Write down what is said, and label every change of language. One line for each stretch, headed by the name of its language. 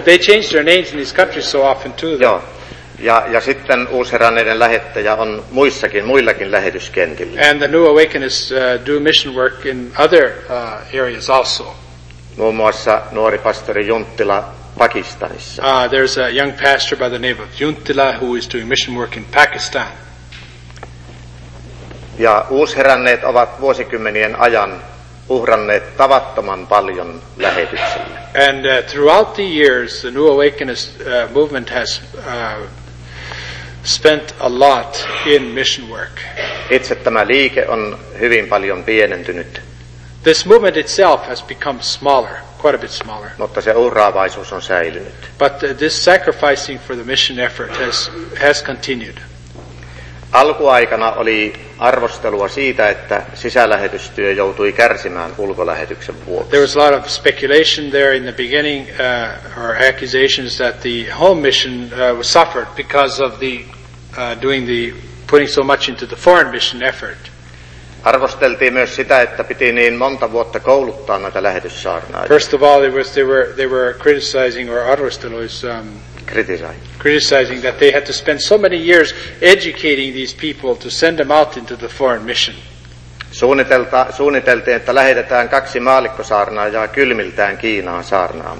English: They change their names in these countries so often too.
Finnish: Joo. Ja sitten uusheränneiden lähettäjä on muillakin lähetyskentillä.
English: And the New Awakenists do mission work in other areas also.
Finnish: Muun muassa nuori pastori Junttila Pakistanissa.
English: There's a young pastor by the name of Junttila who is doing mission work in Pakistan.
Finnish: Ja uusheränneet ovat vuosikymmenien ajan uhranneet tavattoman paljon lähetyksille.
English: And throughout the years, the New Awakenist movement has spent a lot in mission work.
Finnish: Itse tämä liike on hyvin paljon pienentynyt.
English: This movement itself has become smaller, quite a bit smaller.
Finnish: Mutta se uhraavaisuus on säilynyt.
English: But this sacrificing for the mission effort has continued.
Finnish: Alkuaikana oli arvostelua siitä, että sisälähetystyö joutui kärsimään ulkolähetyksen vuoksi.
English: There was a lot of speculation there in the beginning, or accusations that the home mission was suffered because of the putting so much into the foreign mission effort.
Finnish: Arvosteltiin myös sitä, että piti niin monta vuotta kouluttaa näitä lähetyssaarnaajia.
English: First of all, they were criticizing or arvostelois. Criticizing that they had to spend so many years educating these people to send them out into the foreign mission.
Finnish: Suunniteltiin, että lähetetään kaksi maallikkosaarnaajaa kylmiltään Kiinaan saarnaamaan.